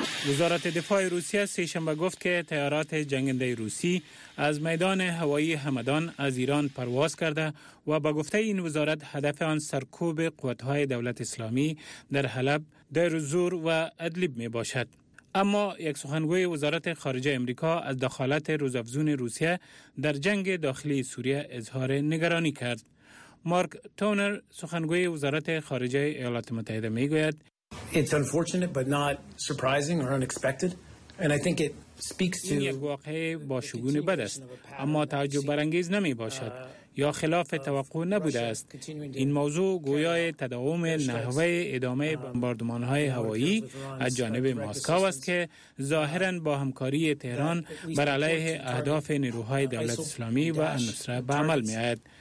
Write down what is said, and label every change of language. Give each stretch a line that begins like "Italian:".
Persian: وزارت دفاع روسیه سه‌شنبه گفت که تیارات جنگنده روسی از میدان هوایی همدان از ایران پرواز کرده و به گفته این وزارت هدف آن سرکوب قوتهای دولت اسلامی در حلب، دیر زور و ادلب می باشد. اما یک سخنگوی وزارت خارجه امریکا از دخالت روزافزون روسیه در جنگ داخلی سوریه اظهار نگرانی کرد. مارک تونر سخنگوی وزارت خارجه ایالات متحده می گوید
English: It's unfortunate but not surprising or unexpected and I think it speaks to
Persian: یک واقعه با شگون بد است اما تعجب برانگیز نمی باشد یا خلاف توقع نبوده است. این موضوع گویای تداوم نحوه ادامه بمباردمان‌های هوایی از جانب مسکو است که ظاهراً با همکاری تهران بر علیه اهداف نیروهای دولت اسلامی و النصره به عمل می آید.